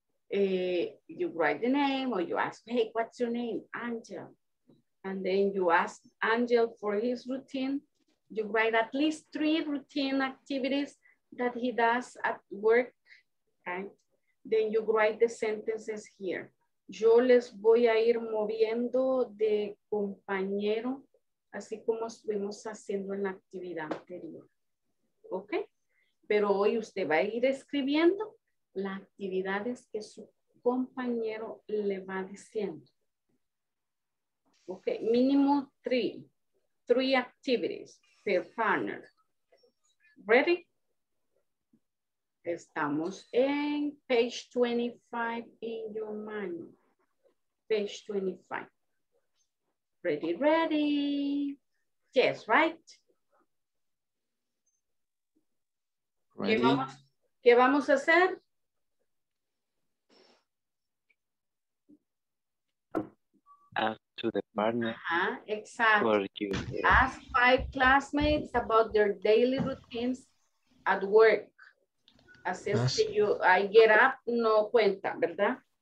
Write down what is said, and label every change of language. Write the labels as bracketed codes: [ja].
[en] You write the name or you ask, hey, what's your name? Angel. And then you ask Angel for his routine. You write at least 3 routine activities that he does at work, right? Then you write the sentences here. [es] Yo les voy a ir moviendo de compañero, así como estuvimos haciendo en la actividad anterior. Okay? Pero hoy usted va a ir escribiendo las actividades que su compañero le va diciendo. [en] Okay, mínimo 3 activities per partner. Ready? [es] Estamos en [en] page 25 in your manual. Page 25. Ready. Yes, right? Ready. [es] ¿Qué vamos a hacer? [en] Ask to the partner. Exactly. Ask 5 classmates about their daily routines at work. [es] Así es que yo, [en] I get up, [es] no cuenta, ¿verdad?